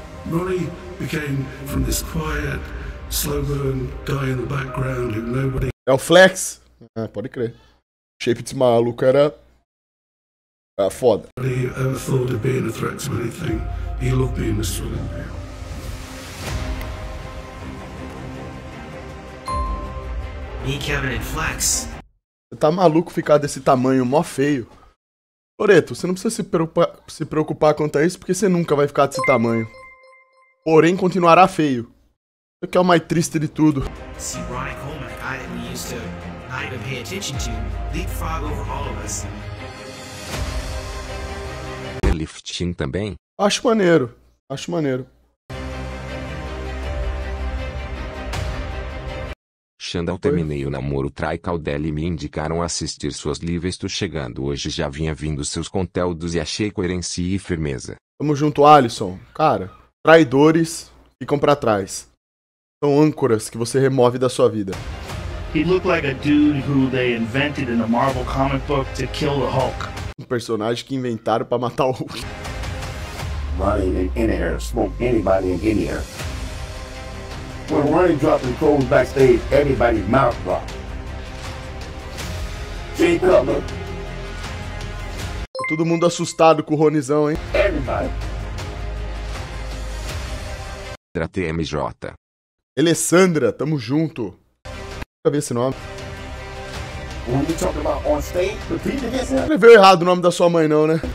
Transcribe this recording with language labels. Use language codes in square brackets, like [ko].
[en] Ronnie became from this quiet, slow-burn guy in the background who nobody... [pt] É o Flex? Ah, pode crer. O shape desse maluco era... foda. [en] He ever thought of being a threat to anything. He loved being Mr. Olympia. Me, Kevin, and Flex. [pt] Você tá maluco ficar desse tamanho mó feio? Toretto, você não precisa se preocupar quanto a isso, porque você nunca vai ficar desse tamanho. Porém, continuará feio. O que é o mais triste de tudo. [en] See, Ronnie Coleman, a guy that we used to not even pay attention to, leapfrog over all of us. [pt] Lifting também? Acho maneiro. Xandão, terminei o namoro, Trai Caldele me indicaram assistir suas lives, tô chegando hoje, já vinha vindo seus conteúdos e achei coerência e firmeza. Tamo junto, Alisson. Cara, traidores ficam pra trás. São âncoras que você remove da sua vida. [en] He looked like a dude who they invented in a Marvel comic book to kill the Hulk. [pt] Um personagem que inventaram pra matar o Hulk. [en] Running in here, smoke anybody in here. When Ronnie dropped the clothes backstage, everybody's mouth dropped. Jake Cutler. [pt] Todo mundo assustado com o Ronizão, hein? [en] Everybody. [pt] Tratei MJ. Alessandra, tamo junto. Deixa eu ver esse nome. [en] When you talk about on stage, the people get [pt] sent. Não escreveu errado o nome da sua mãe, não, né?